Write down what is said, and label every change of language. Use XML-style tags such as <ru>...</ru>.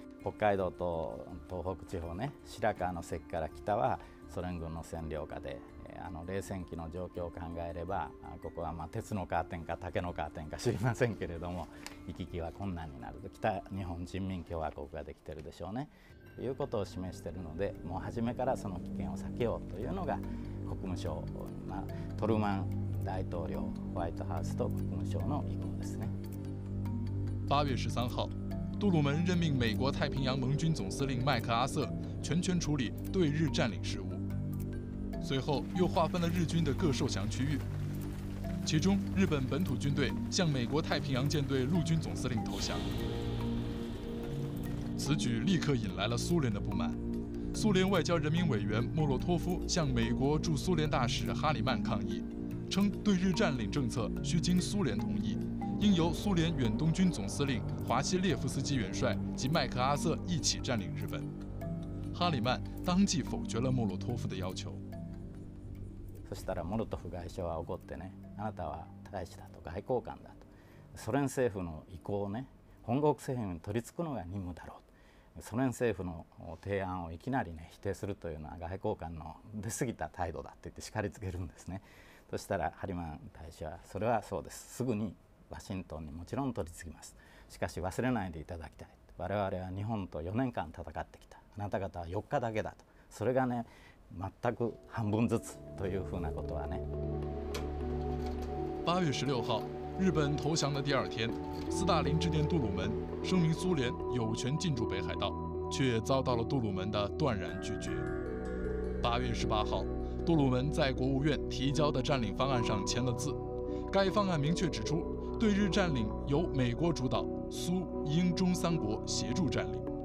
<ja>北海道と東北地方ね、白川の関から北はソ連軍の占領下で、冷戦期の状況を考えれば、ここはまあ鉄のカーテンか竹のカーテンか知りませんけれども、行き来は困難になると。北日本人民共和国ができてるでしょうねということを示しているので、もう初めからその危険を避けようというのが国務省、トルーマン大統領、ホワイトハウスと国務省の意向ですね。</ja> <zh>8月13号，杜鲁门任命美国太平洋盟军总司令麦克阿瑟全权处理对日占领事务，随后又划分了日军的各受降区域，其中日本本土军队向美国太平洋舰队陆军总司令投降。此举立刻引来了苏联的不满，苏联外交人民委员莫洛托夫向美国驻苏联大使哈里曼抗议，称对日占领政策需经苏联同意，应由苏联远东军总司令华西列夫斯基元帅及麦克阿瑟一起占领日本。哈里曼当即否决了莫洛托夫的要求。</zh> <ja>そしたらモロトフ外相は怒ってね、あなたは大使だと外交官だと、ソ連政府の意向をね、本国政府に取り付くのが任務だろうと、ソ連政府の提案をいきなりね否定するというのは外交官の出過ぎた態度だって言って叱りつけるんですね。そしたらハリマン大使は、それはそうです、すぐにワシントンにもちろん取り付きます、しかし忘れないでいただきたい、我々は日本と4年間戦ってきた、あなた方は4日だけだと、それがね全く半分ずつというふうなことはね。</ja> <zh>8月16号，日本投降的第二天，斯大林致电杜鲁门，声明苏联有权进驻北海道，却遭到了杜鲁门的断然拒绝。 8月18号，杜鲁门在国务院提交的占领方案上签了字，该方案明确指出，对日占领由美国主导，苏、英、中三国协助占领。</zh>